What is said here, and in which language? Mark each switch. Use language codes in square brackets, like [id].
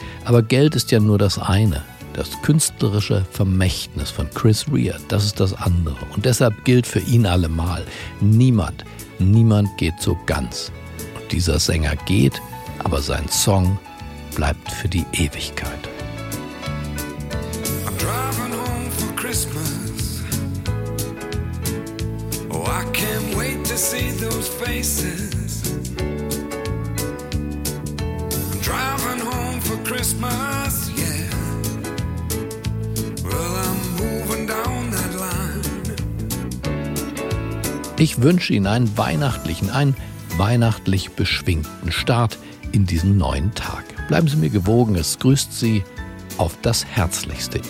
[de] Aber Geld ist ja nur das eine. Das künstlerische Vermächtnis von Chris Rea, das ist das andere. Und deshalb gilt für ihn allemal, niemand geht so ganz. Und dieser Sänger geht, aber sein Song bleibt für die Ewigkeit. [en] I'm driving home for Christmas. I can't wait to see those faces. I'm driving home for Christmas, yeah. Well, I'm moving down that line. [de] Ich wünsche Ihnen einen weihnachtlich beschwingten Start in diesen neuen Tag. Bleiben Sie mir gewogen, es grüßt Sie auf das Herzlichste.